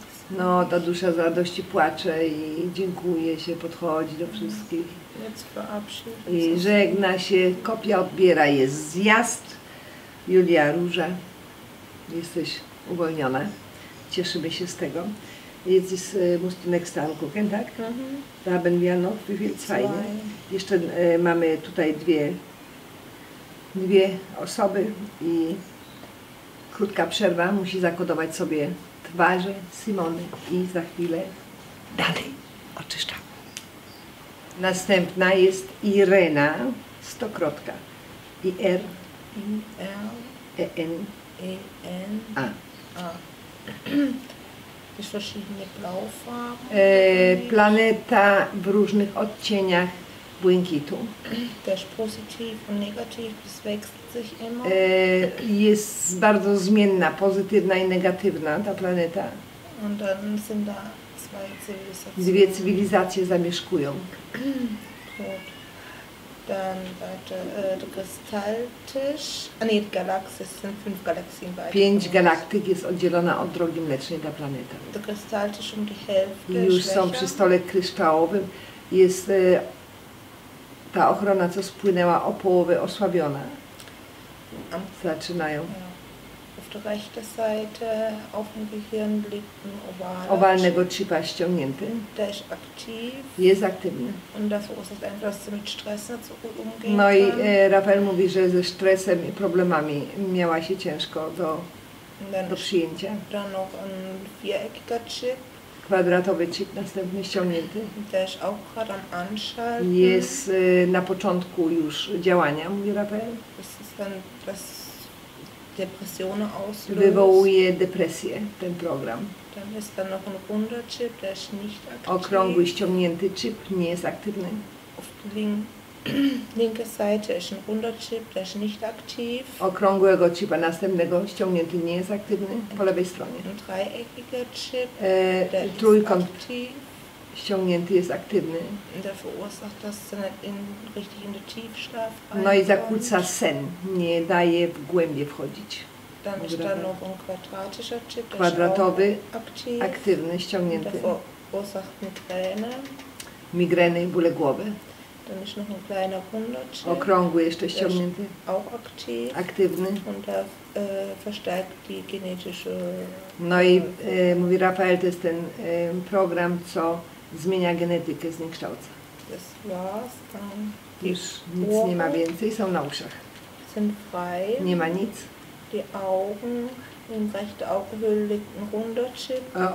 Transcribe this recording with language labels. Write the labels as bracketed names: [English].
[Polish] No ta dusza z radości płacze i dziękuję się, podchodzi do wszystkich. I żegna się, kopia odbiera, jest zjazd. Julia Róża, jesteś uwolniona. Cieszymy się z tego. [German] Jetzt ist musst du [English] next time [German] gucken, tak? Da haben wir noch, wie viel Zeit? [Polish] Jeszcze mamy tutaj dwie osoby i krótka przerwa. Musi zakodować sobie twarze Simony i za chwilę dalej oczyszczam. Następna jest Irena, stokrotka. I-R. I-L. E-N. E-N. A. A. [German] Jest verschiedene Blaufarben. [Polish] Planeta w różnych odcieniach błękitu. Też pozytyw i negatyw, [German] das wechselt sich immer. [Polish] Jest bardzo zmienna, pozytywna i negatywna ta planeta. [German] Und dann sind da zwei Zivilisationen. [Polish] Dwie cywilizacje zamieszkują. [German] Gut. Dann weiter, der Kristalltisch. Nee, Galaxis, sind fünf Galaxien weiter. [Polish] Pięć galaktyk jest oddzielona od drogi mlecznej ta planeta. [German] Der Kristalltisch um die Hälfte. [Polish] Już są przy stole kryształowym. Jest ta ochrona, co spłynęła o połowę osłabiona. Zaczynają. [German] Auf der rechten Seite, auf dem Gehirn liegt ein Oval. [Polish] Owalnego chipa ściągnięty. [German] Der ist aktiv. [Polish] Jest aktywny. [German] Und das verursacht einfach, dass sie mit Stress nicht so gut umgehen [Polish] No i Rafael mówi, że ze stresem i problemami miała się ciężko do przyjęcia. [German] Dann noch ein viereckiger chip. [Polish] Kwadratowy chip następny ściągnięty. [German] Der ist auch gerade am Anschalten. [Polish] Jest na początku już działania, mówi Rafael. [German] Das ist dann das Depressionen auslöst. [Polish] Wywołuje depresję ten program. [German] Dann ist dann noch ein runder Chip, der ist nicht aktiv. [Polish] Okrągły ściągnięty chip nie jest aktywny. [German] Auf der linken Linke Seite ist ein runder Chip, der ist nicht aktiv. [Polish] Okrągłego chipa, następnego, ściągnięty, nie jest aktywny, po lewej stronie. [German] Ein dreieckiger Chip, der Trójkąt ist aktiv. [Polish] Ściągnięty jest aktywny. [German] Der verursacht, dass er richtig in den Tiefschlaf reinkommt. [Polish] No i zakłóca sen, nie daje w głębie wchodzić. [German] Dann ist da noch ein quadratischer Chip, [Polish] kwadratowy, aktywny, ściągnięty. [German] Der verursacht Migräne. [Polish] Migräny, bóle głowy. [German] Dann ist noch ein kleiner runder Chip. [Polish] Okrągły jeszcze ściągnięty. [German] Auch aktiv. [Polish] Aktywny. [German] Und der verstärkt die genetische. [Polish] No i mówi Rafael, to jest ten program, co zmienia genetykę, zniekształca. [German] Das war's. [Polish] Już nic nie ma więcej, są na uszach. [German] Sind frei. [Polish] Nie ma nic. [German] Die Augen, in rechte Augenhöhle liegt ein runder Chip.